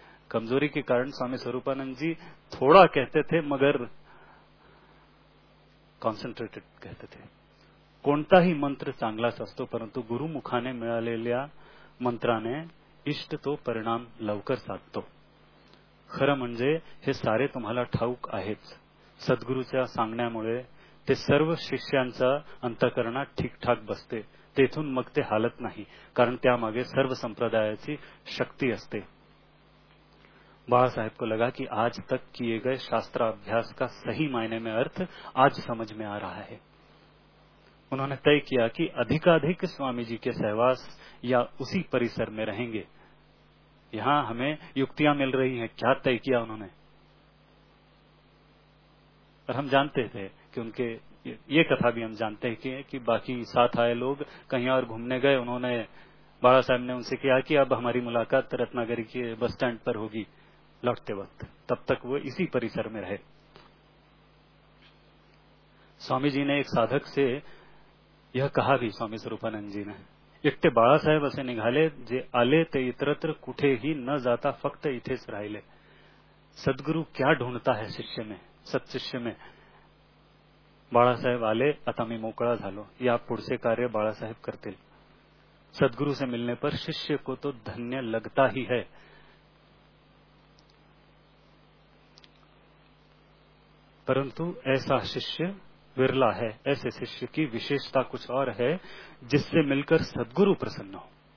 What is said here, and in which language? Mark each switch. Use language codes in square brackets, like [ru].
[hi] कमजोरी के कारण स्वामी स्वरूपानंद जी थोड़ा कहते थे मगर कॉन्सन्ट्रेटेड कहते थे। [mr] कोणताही मंत्र चांगलाच असतो परंतु गुरुमुखाने मिळालेल्या मंत्राने इष्ट तो परिणाम लवकर साधतो। खरं म्हणजे हे सारे तुम्हाला ठाऊक आहेच, सद्गुरूच्या सांगण्यामुळे ते सर्व शिष्यांचा अंतकरणात ठीकठाक बसते, तेथून मग ते हालत नाही कारण त्यामागे सर्व संप्रदायाची शक्ती असते। [hi] बाळासाहेब को लगा की आज तक किए गए शास्त्राभ्यास का सही मायने में अर्थ आज समझ में आ रहा है। उन्होंने तय किया कि अधिकाधिक स्वामी जी के सहवास या उसी परिसर में रहेंगे। यहां हमें युक्तियां मिल रही हैं क्या तय किया उन्होंने, और हम जानते थे कि उनके ये कथा भी हम जानते हैं कि बाकी साथ आए लोग कहीं और घूमने गए, उन्होंने बाळा साहेब ने उनसे किया कि अब हमारी मुलाकात रत्नागिरी के बस स्टैंड पर होगी लौटते वक्त, तब तक वो इसी परिसर में रहे। स्वामी जी ने एक साधक से यह कहा भी, स्वामी स्वरूपानंद जी ने [mr] एकटे बाळासाहेब असे निघाले, जे आले ते इतरत्र कुठेही न जाता फक्त इथेच राहिले. [hi] सद्गुरु क्या ढूंढता है शिष्य में, सत्शिष्य में. [mr] बाळासाहेब आले, आता मी मोकळा झालो, या पुढचे कार्य बाळासाहेब करतील. [hi] सद्गुरु से मिलने पर शिष्य को तो धन्य लगता ही है. परंतु ऐसा शिष्य विरला है, ऐसे शिष्य की विशेषता कुछ और है, जिससे मिलकर सद्गुरु प्रसन्न हो.